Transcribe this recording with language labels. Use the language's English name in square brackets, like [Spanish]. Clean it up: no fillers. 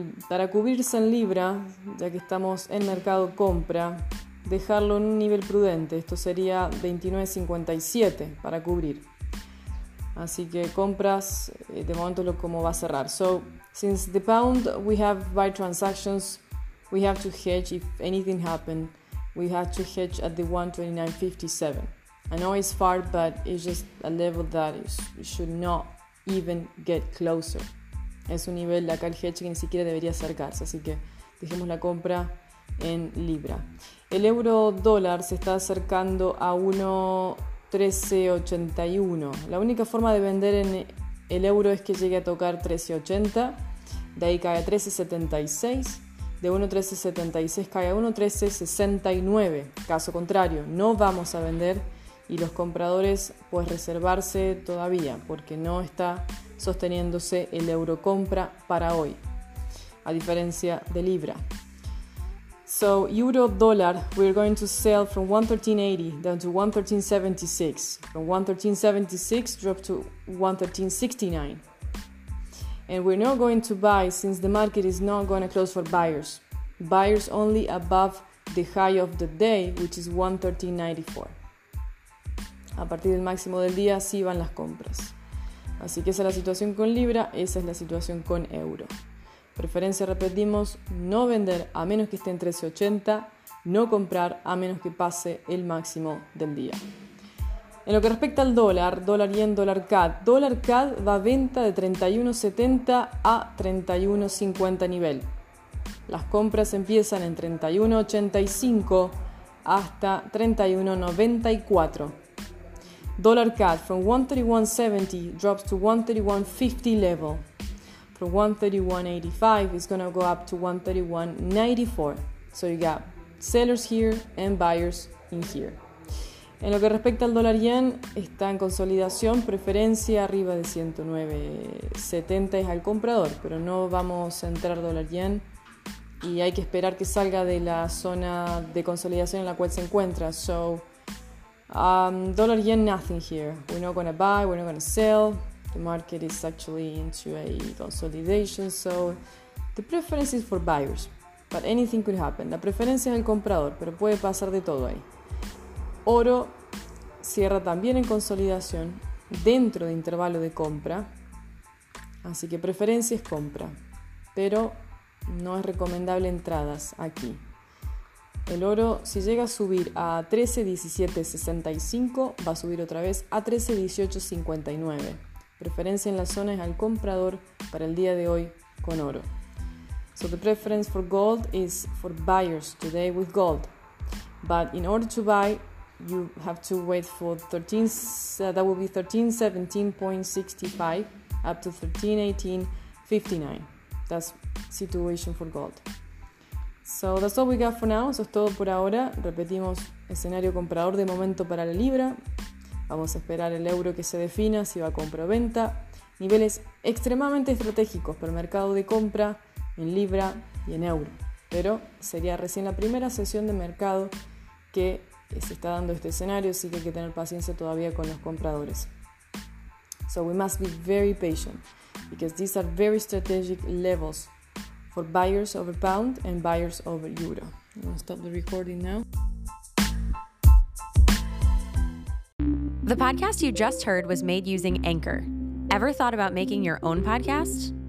[Spanish] Para cubrirse en libra, ya que estamos en mercado compra, dejarlo en un nivel prudente, esto sería 29.57 para cubrir. Así que compras, de momento lo como va a cerrar. [English] So, since the pound we have buy transactions, we have to hedge if anything happened. We have to hedge at the 129.57. I know it's far, but it's just a level that should not even get closer. [Spanish] Es un nivel acá el hedge que ni siquiera debería acercarse, así que dejemos la compra en libra. El euro dólar se está acercando a 1.1381. La única forma de vender en el euro es que llegue a tocar 1380, de ahí cae a 1376. De 1.1376 cae a 1.1369. Caso contrario, no vamos a vender. Y los compradores, pues reservarse todavía, porque no está sosteniéndose el euro compra para hoy, a diferencia de libra. [English] So, euro dollar, we're going to sell from 1.1380 down to 1.1376. From 1.1376 drop to 1.1369. And we're not going to buy since the market is not going to close for buyers. Buyers only above the high of the day, which is 1.1394. [Spanish] A partir del máximo del día, sí van las compras. Así que esa es la situación con libra, esa es la situación con euro. Preferencia, repetimos, no vender a menos que esté en 1380, no comprar a menos que pase el máximo del día. En lo que respecta al dólar, dólar yen, dólar CAD va a venta de 31.70 a 31.50 nivel. Las compras empiezan en 31.85 hasta 31.94. [English] Dollar CAD from 131.70 drops to 131.50 level. From 131.85 is going to go up to 131.94. So you got sellers here and buyers in here. [Spanish] En lo que respecta al dólar yen, está en consolidación, preferencia arriba de 109.70 es al comprador, pero no vamos a entrar dólar yen y hay que esperar que salga de la zona de consolidación en la cual se encuentra. [English] So dollar yen, nothing here. We're not going to buy, we're not going to sell. The market is actually into a consolidation, so the preference is for buyers, but anything could happen. [Spanish] La preferencia es el comprador, pero puede pasar de todo ahí. Oro cierra también en consolidación dentro de intervalo de compra, así que preferencia es compra, pero no es recomendable entradas aquí. El oro, si llega a subir a 13.1765, va a subir otra vez a 13.1859. Preferencia en la zona es al comprador para el día de hoy con oro. [English] So the preference for gold is for buyers today with gold. But in order to buy, you have to wait for 1317.65 up to 1318.59. That's situation for gold. So that's all we got for now. [Spanish] Eso es todo por ahora. Repetimos, escenario comprador de momento para la libra. Vamos a esperar el euro que se defina, si va a compra o venta. Niveles extremadamente estratégicos para el mercado de compra. en libra y en euro. Pero sería recién la primera sesión de mercado que se está dando este escenario, así que hay que tener paciencia todavía con los compradores. [English] So we must be very patient, because these are very strategic levels for buyers over pound and buyers over euro. I'm going to stop the recording now. The podcast you just heard was made using Anchor. Ever thought about making your own podcast?